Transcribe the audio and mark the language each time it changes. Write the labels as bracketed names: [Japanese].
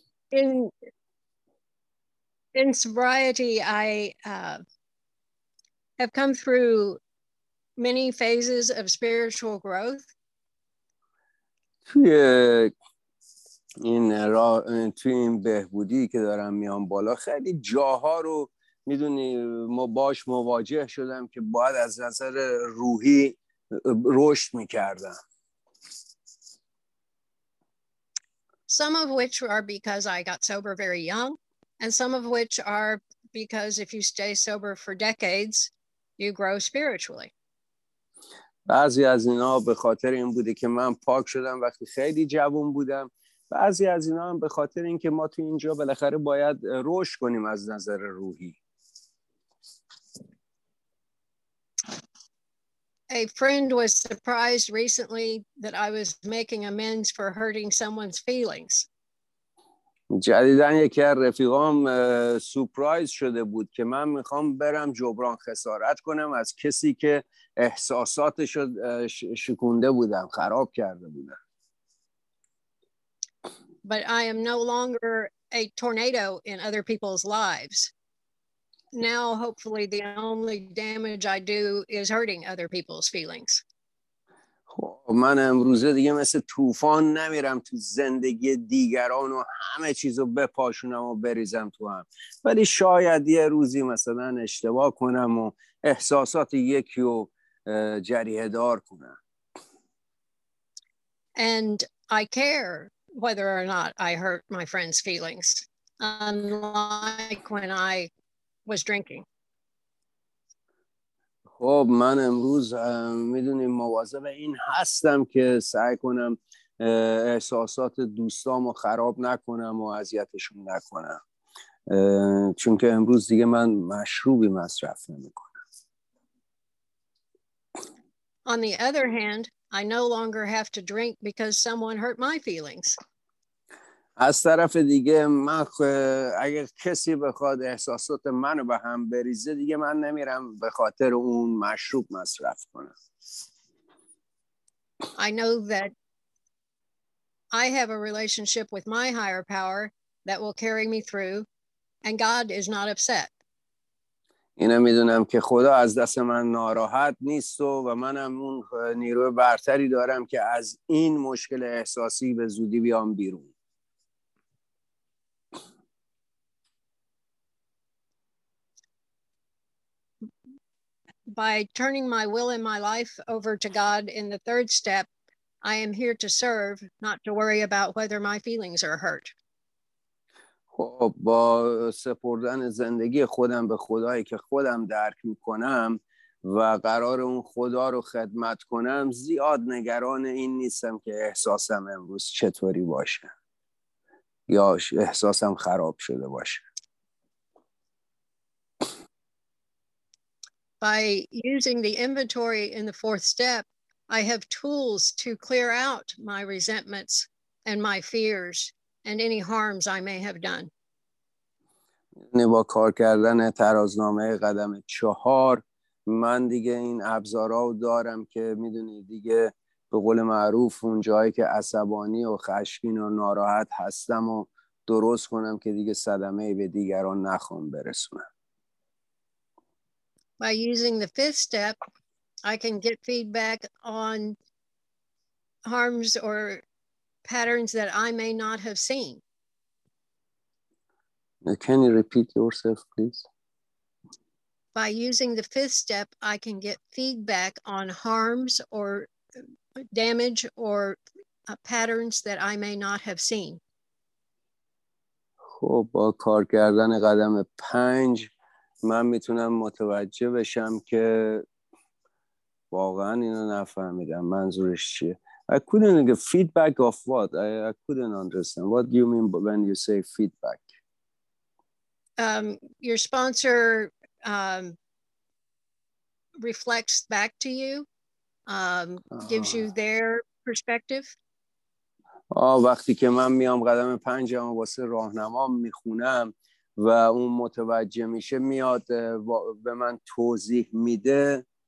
[English] In sobriety, I have come through many phases of spiritual growth. [Persian] توی این راه توی این بهبودی که دارم میام بالا خیلی جاها رو میدونی ما باش مواجه شدم که باید از نظر روحی رشد میکردم. [English] Some of which are because I got sober very young, and some of which are because if you stay sober for decades, you grow spiritually. [Persian] بعضی از اینا به خاطر این بوده که من پاک شدم وقتی خیلی جوان بودم. بعضی از اینا هم به خاطر اینکه ما تو اینجا بالاخره باید روش کنیم از نظر روحی. [English] A friend was surprised recently that I was making amends for hurting someone's feelings. [Persian] جدیدن یکی از رفیقام سورپرایز شده بود که من میخوام برم جبران خسارت کنم از کسی که احساساتش رو شکونده بودم، خراب کرده بودم. [English] But I am no longer a tornado in other people's lives. Now, hopefully, the only damage I do is hurting other people's feelings. [Persian] من امروزه دیگه مثل طوفان نمیرم تو زندگی دیگران و همه چیزو بپاشونم و بریزم تو هم. ولی شاید یه روزی مثلا اشتباه کنم و احساسات یکی رو جریحه دار کنم. [English] And I care whether or not I hurt my friend's feelings, unlike when I was drinking. [Persian] خب من امروز میدونی مواظب این هستم که سعی کنم احساسات دوستامو خراب نکنم و اذیتشون نکنم، چون که امروز دیگه من مشروبی مصرف نمیکنم. [English] On the other hand, I no longer have to drink because someone hurt my feelings. [Persian] از طرف دیگه من اگر کسی بخواد احساسات منو به هم بریزه دیگه من نمیرم به خاطر اون مشروب مصرف کنم. [English] I know that I have a relationship with my higher power that will carry me through and God is not upset. [Persian] اینا میدونم که خدا از دست من ناراحت نیست و منم اون نیروی برتری دارم که از این مشکل احساسی به زودی بیام بیرون. [English] By turning my will and my life over to God in the third step, I am here to serve, not to worry about whether my feelings are hurt. [Persian] خب با سپردن زندگی خودم به خدایی که خودم درک میکنم و قرار اون خدا رو خدمت کنم، زیاد نگران این نیستم که احساسم امروز چطوری باشه یا احساسم خراب شده باشه. [English] By using the inventory in the fourth step, I have tools to clear out my resentments and my fears and any harms I may have done. [Persian] با کار کردن ترازنامه قدم چهار من دیگه این ابزارا رو دارم که میدونی دیگه به قول معروف اون جایی که عصبانی و خشمگین و ناراحت هستم و درست کنم که دیگه صدمه به دیگران نخوام برسونم. [English] By using the fifth step, I can get feedback on harms or patterns that I may not have seen. Can you repeat yourself, please? By using the fifth step, I can get feedback on harms or damage or patterns that I may not have seen. [Persian] خب با کار کردن قدم پنج من میتونم متوجه بشم که واقعا اینو نفهمیدم منظورش چیه. [English] I couldn't get feedback of what? I couldn't understand. What do you mean when you say feedback? Your sponsor reflects back to you, gives you their perspective. [Persian] وقتی که من میام قدم پنجم واسه راهنما میخونم و اون متوجه میشه میاد به من توضیح میده.